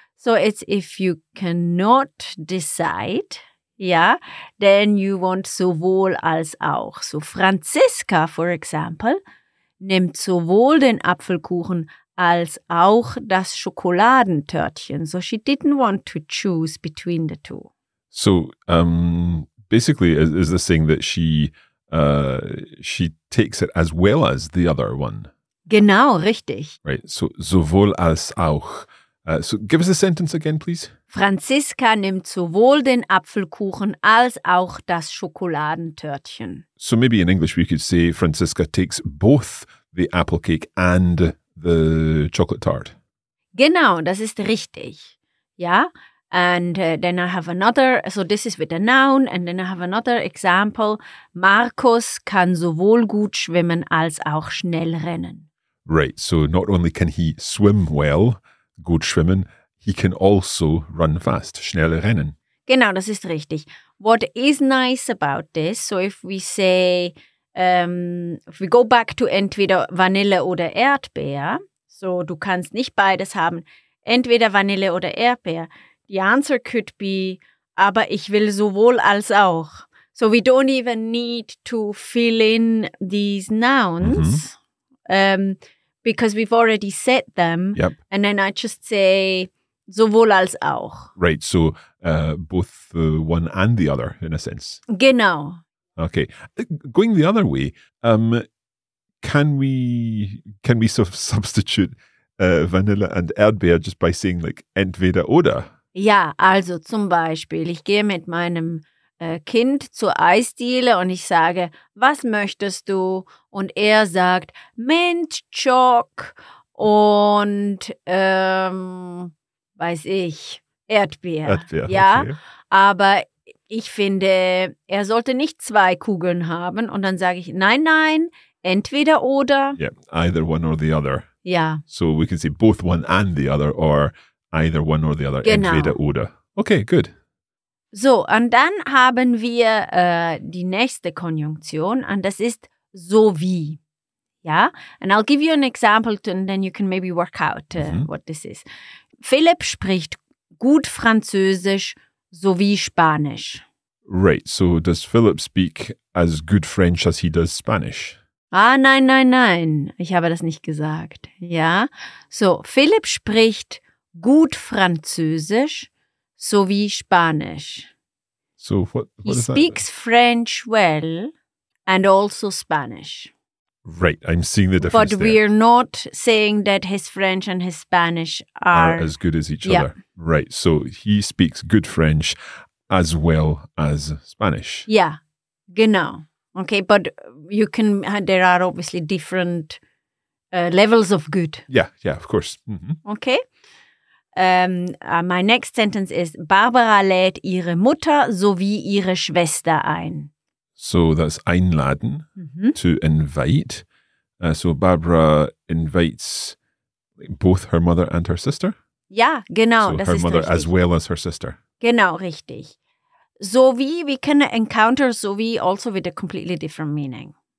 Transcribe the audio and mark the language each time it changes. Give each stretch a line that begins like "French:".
English: So it's if you cannot decide, ja, then you want sowohl als auch. So Franziska, for example,
German: nimmt sowohl den Apfelkuchen als auch das Schokoladentörtchen.
English: So she didn't want to choose between the two. So, basically, is this saying that she takes it as well as the other one?
German: Genau, richtig.
English: Right, so sowohl als auch. So give us a sentence again, please.
German: Franziska nimmt sowohl den Apfelkuchen als auch das Schokoladentörtchen.
English: So maybe in English we could say Franziska takes both the apple cake and the chocolate tart.
German: Genau, das ist richtig. Ja.
English: And then I have another, so this is with a noun, and then I have another example.
German: Markus kann sowohl gut schwimmen als auch schnell rennen.
English: Right, so not only can he swim well,
German: gut schwimmen,
English: he can also run fast,
German: schnell rennen. Genau, das ist richtig.
English: What is nice about this, so if we say, if we go back to
German: entweder Vanille oder Erdbeer, so du kannst nicht beides haben, entweder Vanille oder Erdbeer,
English: the answer could be,
German: aber ich will sowohl als auch.
English: So we don't even need to fill in these nouns because we've already said them. Yep. And then I just say, sowohl als auch. Right, so both the one and the other, in a sense.
German: Genau.
English: Okay, going the other way, can we sort of substitute Vanille and Erdbeer just by saying like entweder oder?
German: Ja, also zum Beispiel, ich gehe mit meinem Kind zur Eisdiele und ich sage, was möchtest du? Und er sagt, Mint Choc und weiß ich, Erdbeer. Erdbeer, ja, okay. Aber ich finde, er sollte nicht zwei Kugeln haben. Und dann sage ich, nein, nein, entweder oder.
English: Yeah, either one or the other.
German: Ja.
English: So we can say both one and the other or either one or the other.
German: Genau. Entweder oder.
English: Okay, good.
German: So, und dann haben wir die nächste Konjunktion und das ist so wie. Ja?
English: And I'll give you an example and then you can maybe work out what this is.
German: Philipp spricht gut Französisch sowie Spanisch.
English: Right, so does Philip speak as good French as he does Spanish?
German: Ah, nein, nein, nein. Ich habe das nicht gesagt. Ja? So, Philipp spricht gut Französisch sowie Spanisch.
English: So, what is that? He speaks French well and also Spanish. Right, I'm seeing the difference. But we're not saying that his French and his Spanish are as good as each other. Right, so he speaks good French as well as Spanish. Yeah, genau. Okay, but you can, there are obviously different levels of good. Yeah, of course. Mm-hmm. Okay. My next sentence is,
German: Barbara lädt ihre Mutter sowie ihre Schwester ein.
English: So that's einladen, to invite. So Barbara invites both her mother and her sister?
German: Ja, genau.
English: So
German: das
English: her
German: ist
English: mother
German: richtig.
English: As well as her sister.
German: Genau, richtig.
English: So wie, we can encounter so wie also with a completely different meaning.